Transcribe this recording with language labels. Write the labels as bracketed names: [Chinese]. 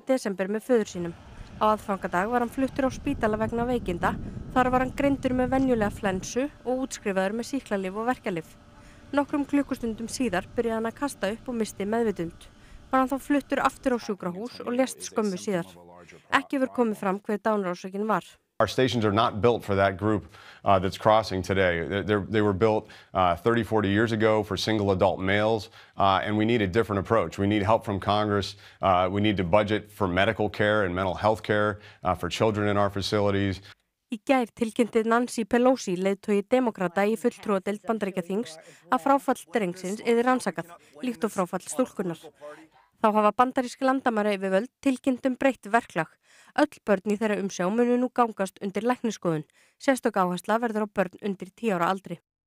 [Icelandic] desember með föður sínum. Á aðfangadag var hann fluttur á spítala vegna veikinda. Þar var hann greindur með venjulega flensu og útskrifaður með sýklalyf og verkjalyf. Nokkrum klukkustundum síðar byrjaði hann að kasta upp og missti meðvitund. Var hann þá fluttur aftur á sjúkrahús og lést skömmu síðar. Ekki hefur komið fram hver dánarorsökin var. [English] Our stations are not built for that group that's crossing today. They were built 30, 40 years ago for single adult males, and we need a different approach. We need help from Congress. We need to budget for medical care and mental health care for children in our facilities. [Icelandic] Í gær tilkynnti Nancy Pelosi, leiðtogi demokrata í fulltrúadeild Bandaríkjaþings, að fráfall drengsins yrði rannsakað, líkt og fráfall stúlkunnar. Þá hafa bandarísk landamæra yfirvöld tilkynnt breytt verklag. Öll börn í þeirra umsjá munu nú gangast undir læknisskoðun. Sérstök áhersla verður á börn undir 10 ára aldri.